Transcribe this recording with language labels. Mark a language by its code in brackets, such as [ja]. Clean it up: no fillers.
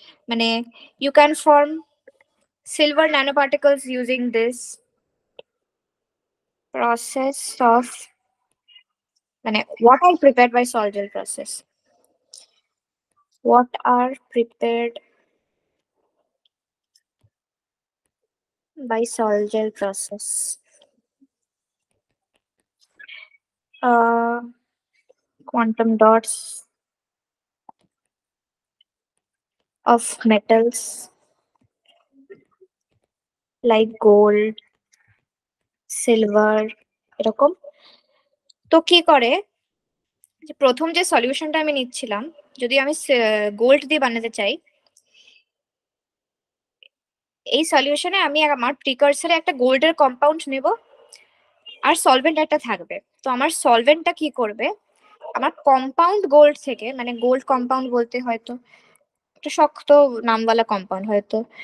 [en] মানে you can form silver nano particles using this process of, মানে what are prepared by sol gel process, what are prepared by sol gel process. Quantum dots of metals like gold, silver, এরকম। [bn] তো কি করে যে প্রথম যে সলিউশনটা আমি নিচ্ছিলাম, যদি আমি গোল্ড দিয়ে বানাতে চাই, এই সলিউশনে আমি আমার প্রিকার্সারে একটা গোল্ডের কম্পাউন্ড নেব আর সলভেন্ট একটা থাকবে, তো আমার সলভেন্টটা কি করবে আমার কম্পাউন্ড গোল্ড থেকে, মানে গোল্ড কম্পাউন্ড বলতে হয়তো একটা শক্ত নামওয়ালা কম্পাউন্ড, হয়তো